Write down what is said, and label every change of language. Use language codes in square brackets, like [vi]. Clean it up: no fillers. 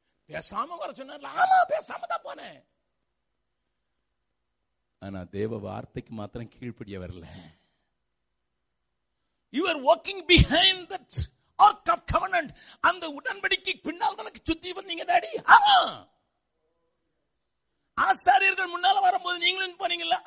[ta] பேசாம வர சொன்னார்ல? ஆமா, பேசாம தான் போனேன். ஆனா தேவ வார்த்தைக்கு மாத்திரம் கீழ்படிய வரல. [en] You are walking behind that ark of covenant. [ta] அந்த உடன்படிக்கை பின்னால் தனக்கு சுத்தி வந்தீங்க டாடி. ஆமா, ஆசாரியர்கள் முன்னால வரும்போது நீங்களும் போனீங்கல்ல.